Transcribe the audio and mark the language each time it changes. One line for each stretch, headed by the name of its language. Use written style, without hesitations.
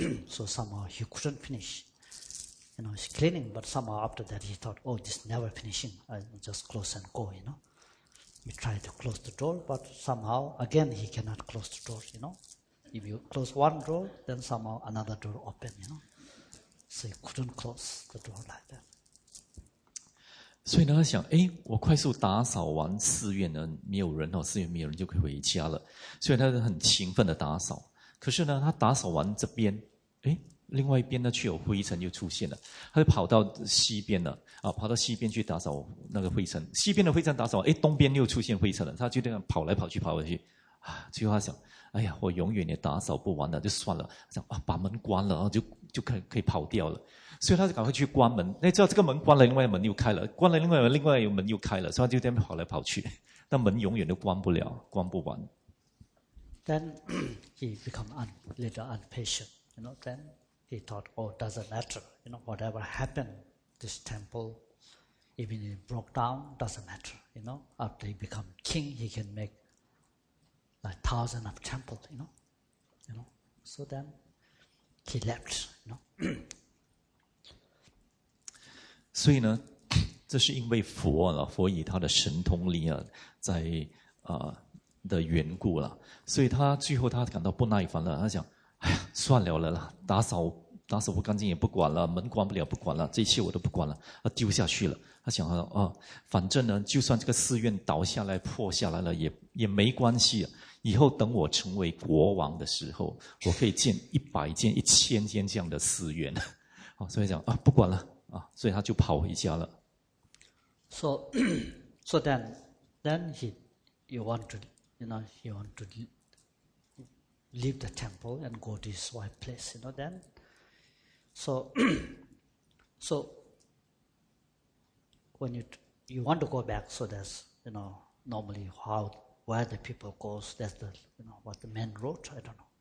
English: So somehow he couldn't finish. You know, he's cleaning, but somehow after that he thought, oh, this never finishing. I just close and go. You know, he tried to close the door, but somehow again he cannot close the door. You know. If you close one door, then somehow another door open, you know. So you couldn't close the door like that.
Chinese: 所以呢，他想，哎，我快速打扫完寺院呢，没有人哦，寺院没有人就可以回家了。所以他很勤奋的打扫。可是呢，他打扫完这边，哎，另外一边呢却有灰尘就出现了。他就跑到西边了，啊，跑到西边去打扫那个灰尘。西边的灰尘打扫，哎，东边又出现灰尘了。他就这样跑来跑去，跑回去。啊，最后他想，哎呀，我永远也打扫不完了，就算了。想啊，把门关了，然后就可以跑掉了。所以他就赶快去关门，那知道这个门关了，另外一个门又开了，关了另外一个门又开了，所以他就这样跑来跑去，那门永远都关不了，关不完。
English: Then he become little impatient, you know. Then he thought, oh, doesn't matter, you know, whatever happened, this temple, even it broke down, doesn't matter, you know. After he become king, he can make like thousands of temples, you know. So then he left, you know.
Chinese: 所以呢，这是因为佛以他的神通力啊，在的缘故了，所以他最后他感到不耐烦了，他想，哎呀，算了了啦，打扫不干净也不管了，门关不了不管了，这一切我都不管了，他丢下去了。他想啊，反正呢，就算这个寺院倒下来破下来了，也没关系啊，以后等我成为国王的时候，我可以建100间、1000间这样的寺院，好，所以讲啊，不管了。所以他就跑回家了。
English: So then he wanted to leave the temple and go to his wife's place, you know. Then, so when you want to go back, so that's, you know, normally where the people go, that's the, you know, what the main road, I don't know.